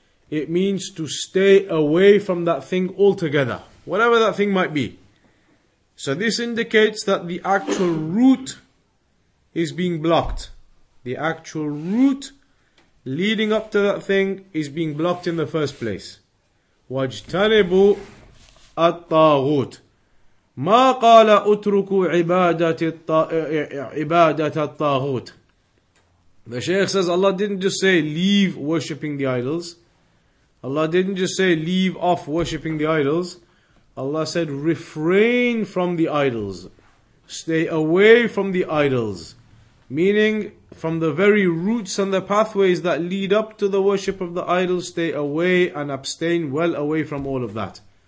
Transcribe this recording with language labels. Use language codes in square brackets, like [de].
[en] It means to stay away from that thing altogether. Whatever that thing might be. So this indicates that the actual root is being blocked. The actual root leading up to that thing is being blocked in the first place. [ar] وَاجْتَنِبُوا الطَّاغُوتِ. ما قال اتركوا عبادة الطاغوت. [en] The Shaykh says Allah didn't just say leave worshipping the idols. Allah didn't just say leave off worshipping the idols. Allah said refrain from the idols. Stay away from the idols. Meaning from the very roots and the pathways that lead up to the worship of the idols, stay away and abstain well away from all of that.